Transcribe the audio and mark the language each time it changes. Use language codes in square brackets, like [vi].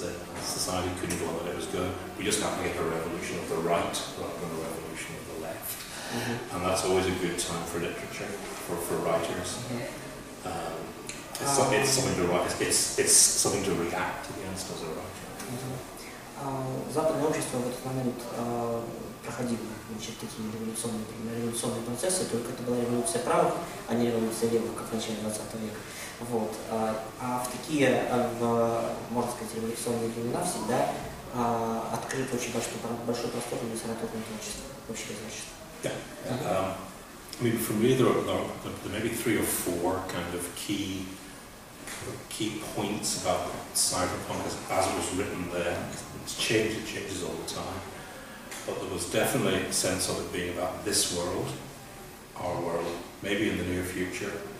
[en] The society couldn't go on the way it was going. We just have to get a revolution of the right rather than a revolution of the left. Mm-hmm. And that's always a good time for literature, for writers. Mm-hmm. It's something to write. It's something to react against as a writer. [ru] Западное общество в этот момент проходило, значит, такие революционные процессы, только это была революция правых, а не революция левых, как в начале 20 века. Вот. Можно сказать, революционные времена всегда открыт очень большой простор для литературного творчества, общего творчества. [en] For me, there are maybe three or four kind of key points about cyberpunk as it was written there. It changes all the time. But there was definitely a sense of it being about this world, our world, maybe in the near future.